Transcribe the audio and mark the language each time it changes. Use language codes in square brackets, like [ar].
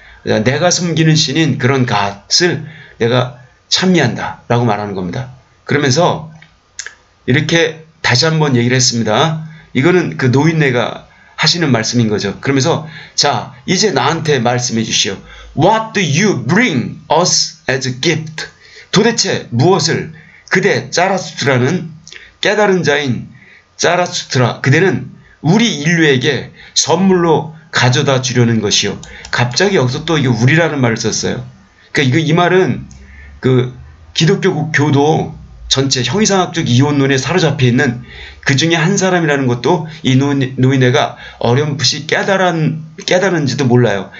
[ko] 내가 숨기는 신인 그런 God을 내가 찬미한다 라고 말하는 겁니다. 그러면서 이렇게 다시 한번 얘기를 했습니다. 이거는 그 노인네가 하시는 말씀인 거죠. 그러면서 자 이제 나한테 말씀해 주시오. [en] What do you bring us as a gift? [ko] 도대체 무엇을 그대 짜라수트라는 깨달은 자인 자라스트라, 그대는 우리 인류에게 선물로 가져다 주려는 것이요. 갑자기 여기서 또 이게 우리라는 말을 썼어요. 그러니까 이거 이 말은 그 기독교 교도 전체 형이상학적 이원론에 사로잡혀 있는 그 중에 한 사람이라는 것도 이 노인네가 어렴풋이 깨달았는지도 몰라요.